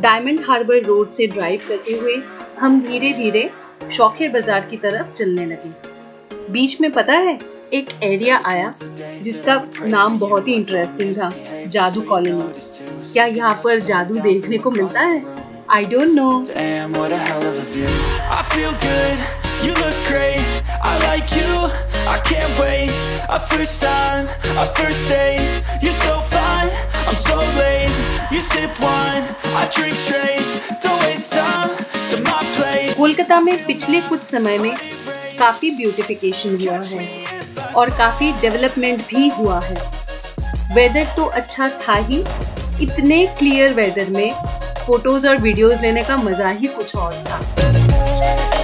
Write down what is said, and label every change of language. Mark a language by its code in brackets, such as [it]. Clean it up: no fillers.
[hi] Diamond harbour road से drive करते हुए हम धीरे धीरे शौखेर बाजार की तरफ चलने लगे। बीच में पता है एक एरिया आया जिसका नाम बहुत ही इंटरेस्टिंग था, जादू कॉलोनी। क्या यहाँ पर जादू देखने को मिलता है? [en] I don't know. Damn, what a hell of a view. I feel good, you look great. I like you, I can't wait. A first time, a first date. You're so fine, I'm so late. You sip wine, I drink straight. Don't waste time to my place. [hi] Kolkata में पिछले कुछ समय में काफी beautification हुआ है और काफी डेवलपमेंट भी हुआ है। वेदर तो अच्छा था ही, इतने क्लियर वेदर में फोटोज और वीडियोस लेने का मजा ही कुछ और था।